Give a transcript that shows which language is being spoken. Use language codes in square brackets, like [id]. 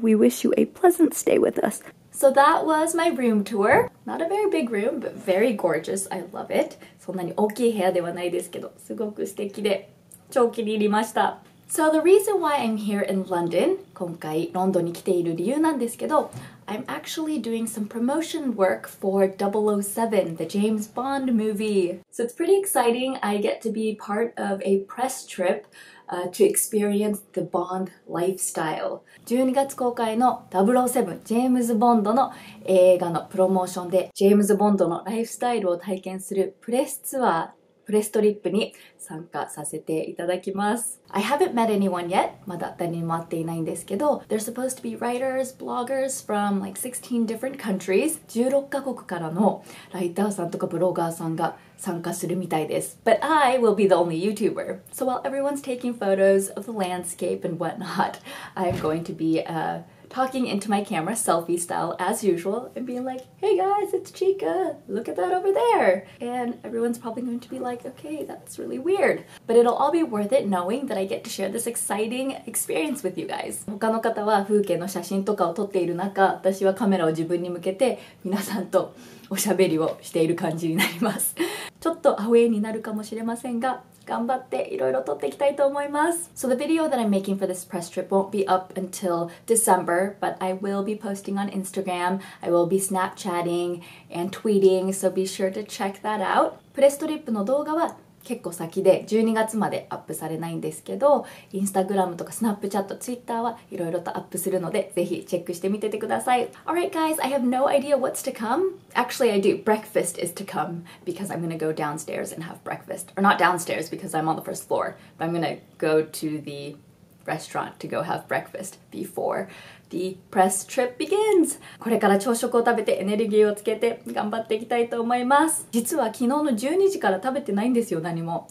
[en] We wish you a pleasant stay with us. So that was my room tour. Not a very big room, but very gorgeous. I love it. [ja] そんなに大きい部屋ではないですけど、すごく素敵で。超気に入りました。 [en] So the reason why I'm here in London, [ja] 今回ロンドンに来ている理由なんですけど、 [en] I'm actually doing some promotion work for 007, the James Bond movie. So it's pretty exciting. I get to be part of a press trip, to experience the Bond lifestyle. [ja] 12月公開の007、ジェームズ・ボンドの映画のプロモーションで、ジェームズ・ボンドのライフスタイルを体験するプレスツアー、プレストリップに参加させていただきます。 [en] I haven't met anyone yet. [ja] まだ誰にも会っていないんですけど、 [en] They're supposed to be writers, bloggers from like 16 different countries. [ja] 16カ国からのライターさんとかブロガーさんが参加するみたいです。 [en] But I will be the only YouTuber. So while everyone's taking photos of the landscape and whatnot, I'm going to be talking into my camera, selfie style, as usual, and being like, hey guys, it's Chica, look at that over there. And everyone's probably going to be like, okay, that's really weird. But it'll all be worth it knowing that I get to share this exciting experience with you guys. [ja] 他の方は風景の写真とかを撮っている中、私はカメラを自分に向けて皆さんとおしゃべりをしている感じになります。ちょっとアウェイになるかもしれませんが、頑張っていろいろ撮っていきたいと思います。 [en] So the video that I'm making for this press trip won't be up until December, but I will be posting on Instagram, I will be Snapchatting and tweeting, so be sure to check that out. [ja] プレストリップの動画は結構先で12月までアップされないんですけど、Instagram とか Snapchat、Twitter はいろいろとアップするので、ぜひチェックしてみててください。 [en] Alright guys, I have no idea what's to come. Actually, I do. Breakfast is to come because I'm gonna go downstairs and have breakfast. Or not downstairs because I'm on the first floor, but I'm gonna go to the restaurant to go have breakfast before the press trip begins. [ja] これから朝食を食べてエネルギーをつけて頑張っていきたいと思います。実は昨日の12時から食べてないんですよ、何も。